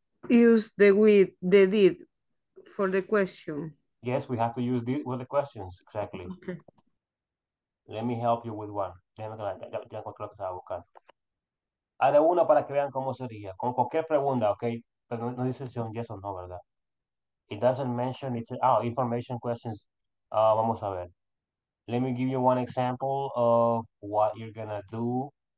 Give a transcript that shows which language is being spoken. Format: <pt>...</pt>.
<en>Use the with the did for the question. Yes, we have to use did with the questions, exactly. Okay. Let me help you with one.</en> <es>Déjame que ya encontré lo que estaba buscando. Haré una para que vean cómo sería. Con cualquier pregunta, okay? Pero no dice si es un yes o no, ¿verdad?</es> <en>It doesn't mention it. Oh, information questions.</en> <es>Vamos a ver.</es> <en>Let me give you one example of what you're gonna do.</en>